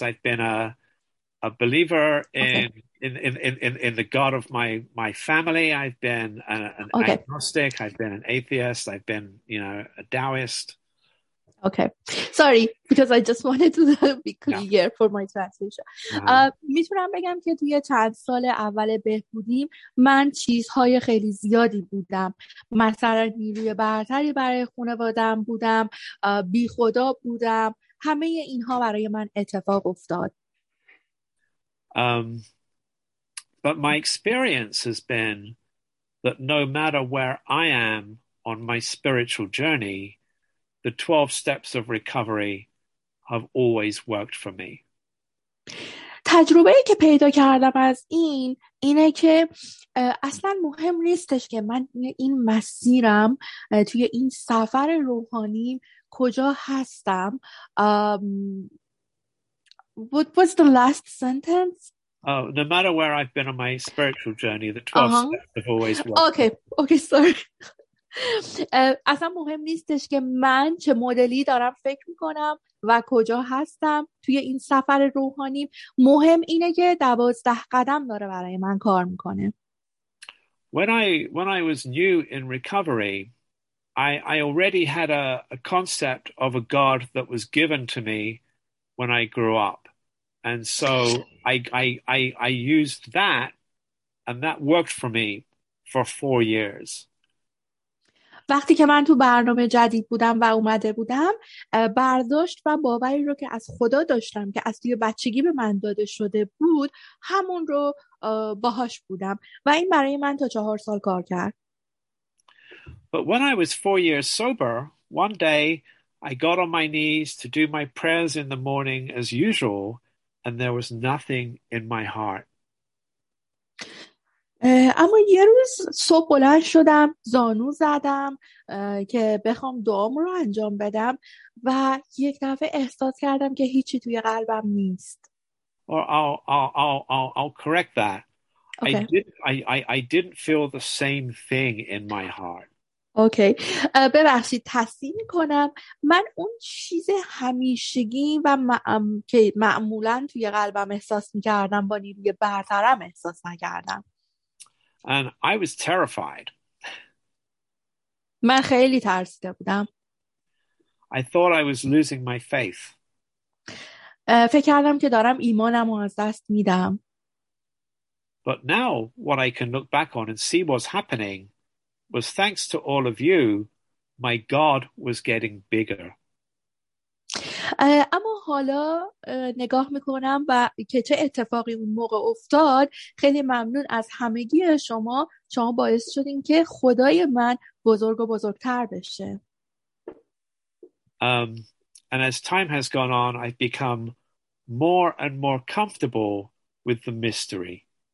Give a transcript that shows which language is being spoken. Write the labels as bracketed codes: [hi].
[en] I've been a believer in okay. In the God of my family. I've been an okay. agnostic. I've been an atheist. I've been, you know, a Taoist. Okay. Sorry, because I just wanted to be clear yeah. for my translation. [fa] میتونم بگم که توی چند سال اول بهبودیم من چیزهای خیلی زیادی بودم. مثلا نیروی برتری برای خانواده‌ام بودم. بی خدا بودم. همه اینها برای من اتفاق افتاد. [en] But my experience has been that no matter where I am on my spiritual journey, the 12 steps of recovery have always worked for me. [fa] تجربه‌ای که پیدا کردم از این اینه که اصلا مهم نیستش که من این مسیرم توی این سفر روحانی کجا هستم. [en] What was the last sentence? Oh, no matter where I've been on my spiritual journey, the 12 uh-huh. steps have always worked. Okay, sorry. [fa] اصلا مهم نیستش که من چه مدلی دارم فکر میکنم و کجا هستم توی این سفر روحانی. مهم اینه که 12 قدم داره برای من کار میکنه. [en] When I was new in recovery, I already had a concept of a God that was given to me when I grew up. And so I used that, and that worked for me for 4 years. [fa] وقتی که من تو برنامه جدید بودم و اومده بودم برداشت و باوری رو که از خدا داشتم که از توی بچگی به من داده شده بود همون رو باهاش بودم و این برای من تا 4 سال کار کرد. [en] But when I was 4 years sober, one day I got on my knees to do my prayers in the morning as usual, and there was nothing in my heart. [fa] اما یه روز صبح بلند شدم زانو زدم که بخوام دعام رو انجام بدم و یک دفعه احساس کردم که هیچی توی قلبم نیست. [en] I'll correct that. Okay. I didn't feel the same thing in my heart. Okay. [fa] ببخشید تصحیح می‌کنم، من اون چیز همیشگی و که معمولا توی قلبم احساس می‌کردم با نیروی برترم احساس نکردم. [en] And I was terrified. [fa] من خیلی ترسیده بودم. [en] I thought I was losing my faith. [fa] فکر کردم که دارم ایمانم رو از دست میدم. [en] But now what I can look back on and see what's happening was thanks to all of you, my God was getting bigger. [fa] اما حالا نگاه میکنم و که چه اتفاقی اون موقع افتاد، خیلی ممنون از همگی شما، شما باعث شدین که خدای من بزرگ و بزرگتر بشه. [en] And as time has gone on, I've become more and more comfortable with the mystery.